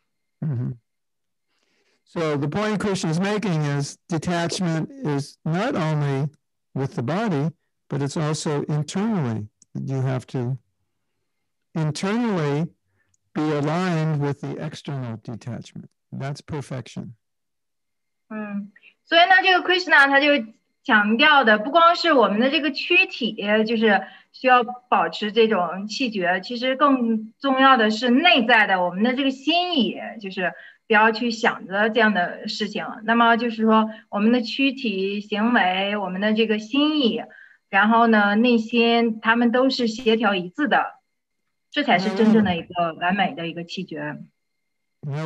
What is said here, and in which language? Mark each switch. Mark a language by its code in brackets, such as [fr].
[zh] 就如果我要是不依附的话，那我就会，我如果我不再去依附的话，我就变得这个，就是超脱了。嗯哼。 [en] So the point Krishna is making is detachment is not only with the body, but it's also internally. You have to internally be aligned with the external detachment. That's perfection. [zh] 所以呢，这个 Krishna 他就强调的，不光是我们的这个躯体，就是需要保持这种气觉。其实更重要的是内在的我们的这个心意，就是不要去想着这样的事情。那么就是说，我们的躯体行为，我们的这个心意，然后呢，内心，他们都是协调一致的，这才是真正的一个完美的一个气觉。 [en] Now